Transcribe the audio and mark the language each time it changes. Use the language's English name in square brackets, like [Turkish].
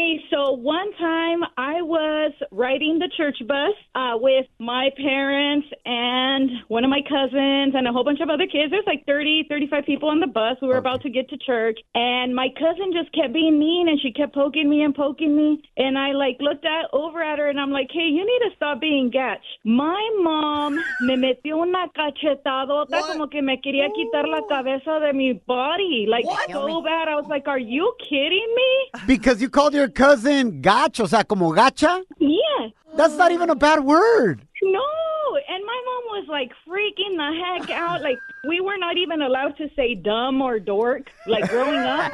[English] So one time I was riding the church bus with my parents and one of my cousins and a whole bunch of other kids. There's like 30, 35 people on the bus. We were about to get to church. And my cousin just kept being mean and she kept poking me and poking me. And I like looked over at her and I'm like, hey, you need to stop being gatch. My mom [Spanish] me metió una cachetadota como que me quería quitar la cabeza de mi body. [English] Like what? So bad. I was like, are you kidding me? Because you called your cousin. In gacho, [Spanish] o sea, como gacha? [English] Yeah. That's not even a bad word. No. And my mom was was like freaking the heck out. Like, we were not even allowed to say dumb or dork, like, growing up.